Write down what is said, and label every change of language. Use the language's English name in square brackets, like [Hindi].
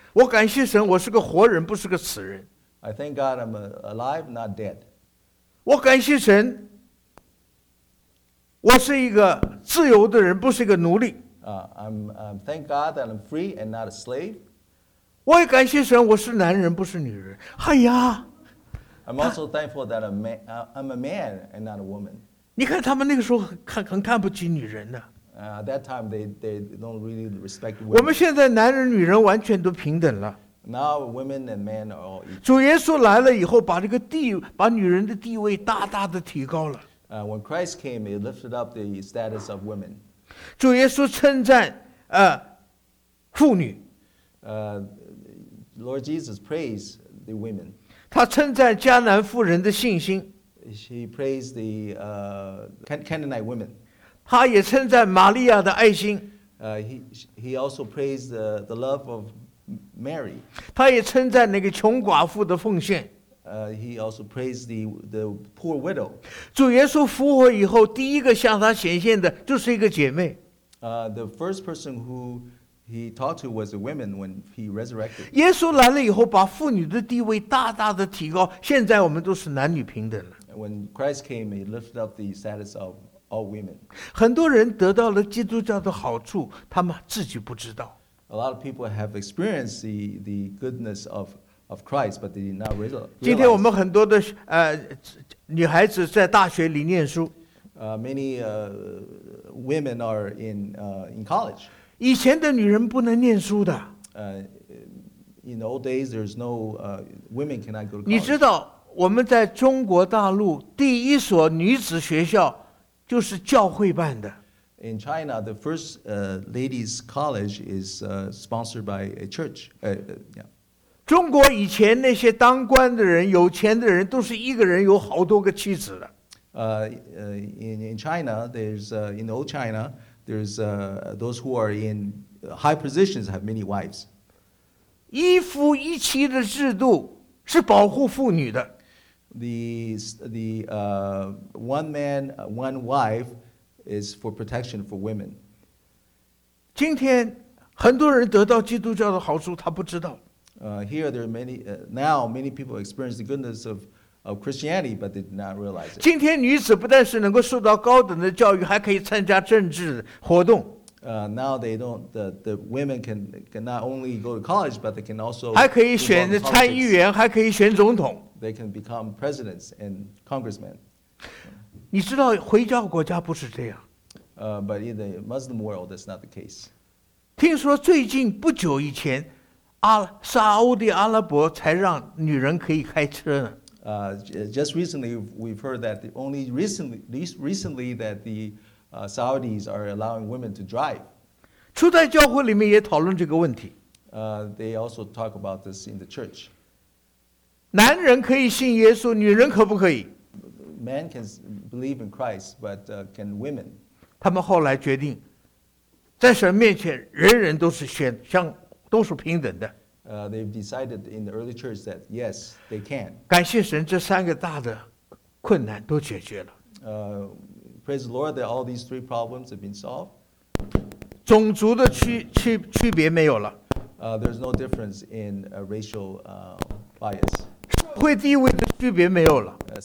[Chinese] 我感谢神，我是个活人，不是个死人。 [English] I thank God I'm alive, not dead. [Chinese] 我感谢神，我是一个自由的人，不是一个奴隶。 [English] I'm thank God that I'm free and not a slave. [Chinese] 我也感谢神，我是男人，不是女人。哎呀 [English] ，I'm also thankful that I'm a man and not a woman. [Chinese] 你看他们那个时候很看不起女人的。 [English] That time they don't really respect women. [Chinese] 我们现在男人女人完全都平等了。 [English] Now women and men are all equal. [Chinese] 主耶稣来了以后，把这个地，把女人的地位大大的提高了。 [English] When Christ came, he lifted up the status of women. [Chinese] 主耶稣称赞妇女。 [English] Lord Jesus praised the women. [Chinese] 他称赞迦南妇人的信心。 [English] He praised the Canaanite women. [Chinese] 他也称赞玛利亚的爱心。 [English] He also praised the love of Mary. [Chinese] 他也称赞那个穷寡妇的奉献。 [English] He also praised the poor widow. [Chinese] 主耶稣复活以后，第一个向他显现的就是一个姐妹。 [English] The first person who he talked to was a woman when he resurrected. [Chinese] 耶稣来了以后，把妇女的地位大大的提高。现在我们都是男女平等了。 [English] When Christ came, he lifted up the status of all women. [Chinese] 很多人得到了基督教的好处，他们自己不知道。 [English] A lot of people have experienced the goodness of Christ, but they did not realize. [Chinese] 今天我们很多的女孩子在大学里念书。 [English] Many women are in college. [Chinese] 以前的女人不能念书的。 [English] In the old days, there's no women cannot go to college. [Chinese] 你知道我们在中国大陆第一所女子学校就是教会办的。 [English] In China, the first ladies' college is sponsored by a church. [Chinese] 中国以前那些当官的人、有钱的人，都是一个人有好多个妻子的。 [English] In China, there's in old China, there's those who are in high positions have many wives. [Chinese] 一夫一妻的制度是保护妇女的。 [English] The one man, one wife. Is for protection for women. [Chinese] 今天很多人得到基督教的好处，他不知道。 [English] Here there are many now many people experience the goodness of Christianity, but they did not realize it. [Chinese] 今天女子不但是能够受到高等的教育，还可以参加政治活动。 [English] Now they don't the women can not only go to college, but they can also [Chinese] 还可以选参议员，还可以选总统。 [English] They can become presidents and congressmen. [Chinese] 你知道回教国家不是这样。 [English] But in the Muslim world, that's not the case. [Chinese] 听说最近不久以前，沙特阿拉伯才让女人可以开车呢。 [English] Just recently, we've heard that only recently that the Saudis are allowing women to drive. [Chinese] 初代教会里面也讨论这个问题。 [English] They also talk about this in the church. [Chinese] 男人可以信耶稣，女人可不可以？ [English] Man can believe in Christ, but can women? [Chinese] 他们后来决定，在神面前，人人都是宣像都是平等的。 [English] They've decided in the early church that yes, they can. [Chinese] 感谢神，这三个大的困难都解决了。 [English] Praise the Lord that all these three problems have been solved. [Chinese] 种族的区别没有了。 [English] There's no difference in racial bias. [Chinese] 社会地位的区别没有了。